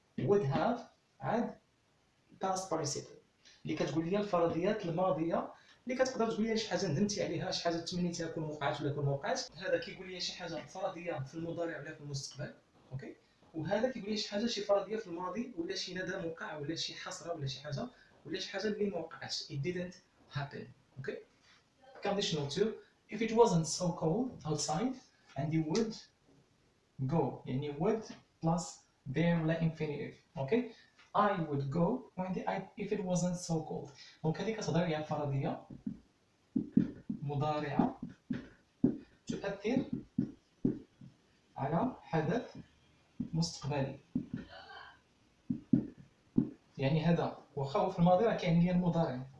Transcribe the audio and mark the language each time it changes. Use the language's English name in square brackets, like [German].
[Arabic] would have عاد past participle اللي كتقول لي الفرضيات الماضيه اللي كتقدر تقول لي شي حاجه ندمتي عليها، شي حاجه تمنيتي تكون وقعت ولا تكون وقعت. هذا كيقول لي شي حاجه فرضيه في المضارع ولا في المستقبل. اوكي وهذا كيقول لي شي حاجه شي فرضيه في الماضي ولا شي ندم وقع ولا شي حسره ولا شي حاجه ولا شي حاجه اللي ما وقعتش. [English] it didn't happen. Okay conditional 2 if it wasn't so cold outside عندي would go يعني would plus there ولا infinitive. okay I would go when the I if it wasn't so cold. [Arabic] دونك هذيك كتهضر على فرضيه مضارعه تؤثر على حدث مستقبلي، يعني هذا واخا في الماضي راه كاين ليا المضارع.